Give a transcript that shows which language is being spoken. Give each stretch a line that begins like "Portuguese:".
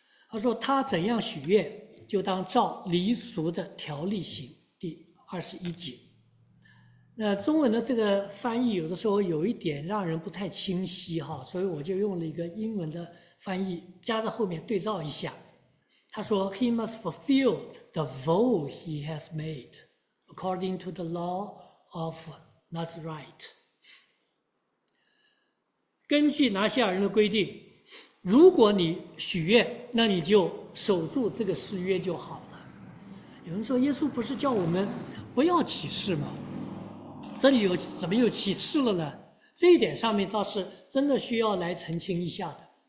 Chinese: 他说：“他怎样许愿，就当照离俗的条例行。”第21节。那中文的这个翻译有的时候有一点让人不太清晰哈，所以我就用了一个英文的翻译加在后面对照一下。他说：“
English: He must fulfill the vow he has made according to the law of Nazirite。
Chinese: 根据拿西尔人的规定，如果你许愿，那你就守住这个誓约就好了。有人说，耶稣不是叫我们不要起誓吗？” 这里有怎么又起誓了呢？这一点上面倒是真的需要来澄清一下的。